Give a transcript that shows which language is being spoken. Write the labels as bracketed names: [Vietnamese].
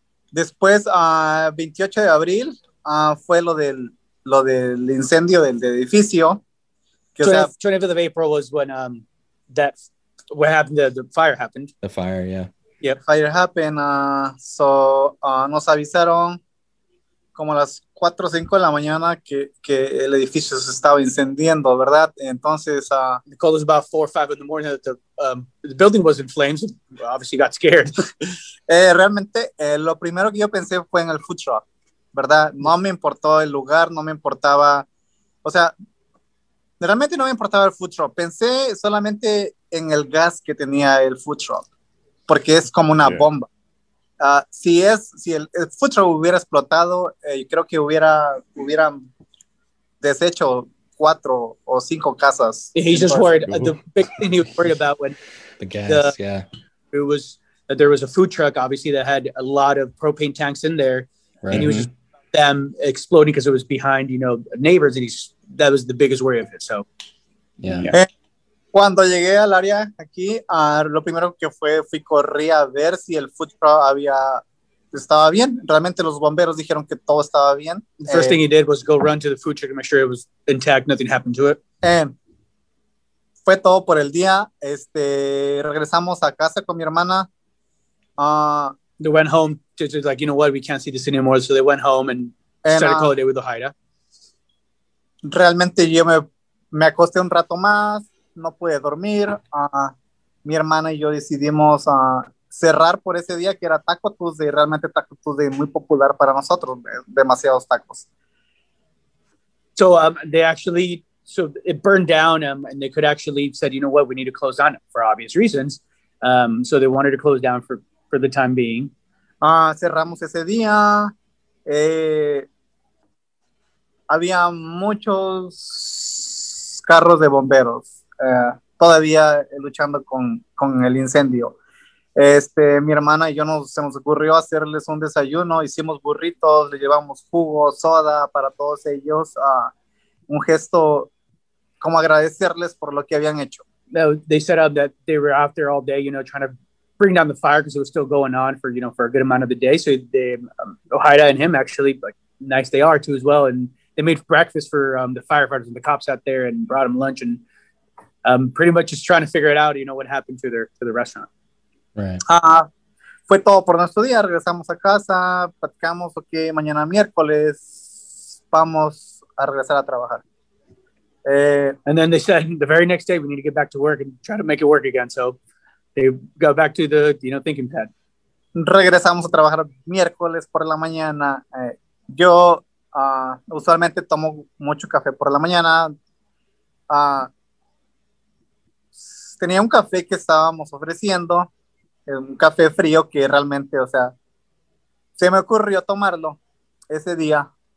[Spanish] Después, 28 de abril, fue lo del incendio del edificio. [English] The 20th of April was when what happened, the fire happened. The fire, yeah. Yep. Fire happened. [Spanish] Nos avisaron como a las 4 o 5 de la mañana que el edificio se estaba incendiando, ¿verdad? Entonces, [English] the call was about 4 or 5 in the morning that the building was in flames. We obviously got scared. [Spanish] realmente, lo primero que yo pensé fue en el food truck, ¿verdad? No me importó el lugar, no me importaba. O sea, realmente no me importaba el food truck. Pensé solamente en el gas que tenía el food truck, porque es como una bomba. Si el food truck hubiera explotado, creo que hubieran deshecho 4 o 5 casas. [English] He's just worried. The big thing he was worried about when the gas, it was that there was a food truck, obviously, that had a lot of propane tanks in there, right. And he was just them exploding because it was behind, you know, neighbors, and that was the biggest worry of it. So, yeah. [Spanish] Cuando llegué al área aquí, lo primero que fui corrí a ver si el food truck estaba bien. Realmente los bomberos dijeron que todo estaba bien. [English] The first thing he did was go run to the food truck to make sure it was intact, nothing happened to it. [Spanish] Fue todo por el día. Regresamos a casa con mi hermana. [English] They went home, just like, you know what, we can't see this anymore. So they went home and started calling it with Ohida. [Spanish] Realmente yo me acosté un rato más. No pude dormir. Mi hermana y yo decidimos cerrar por ese día, que era Taco Tuesday. Realmente Taco Tuesday muy popular para nosotros, demasiados tacos. [English] So they actually so it burned down, and they could actually said, you know what, we need to close down for obvious reasons. So they wanted to close down for the time being. [Spanish] Cerramos ese día. Había muchos carros de bomberos todavía luchando con el incendio. Mi hermana y yo se nos ocurrió hacerles un desayuno. Hicimos burritos, le llevamos jugo, soda para todos ellos. Un gesto como agradecerles por lo que habían hecho. [English] They set out that they were out there all day, you know, trying to bring down the fire because it was still going on for, you know, for a good amount of the day. So they, Ojeda and him actually, like, nice they are too as well. And they made breakfast for the firefighters and the cops out there and brought them lunch and pretty much just trying to figure it out, you know, what happened to the restaurant. Right. [Spanish] Fue todo por nuestro día. Regresamos a casa, platicamos, ok, mañana miércoles vamos a regresar a trabajar. [English] And then they said the very next day we need to get back to work and try to make it work again. So they go back to the, you know, thinking pad. [Spanish] Regresamos a trabajar miércoles por la mañana. Yo usualmente tomo mucho café por la mañana. Tenía un café que estábamos ofreciendo, un café frío que realmente, o sea, se me ocurrió tomarlo ese día.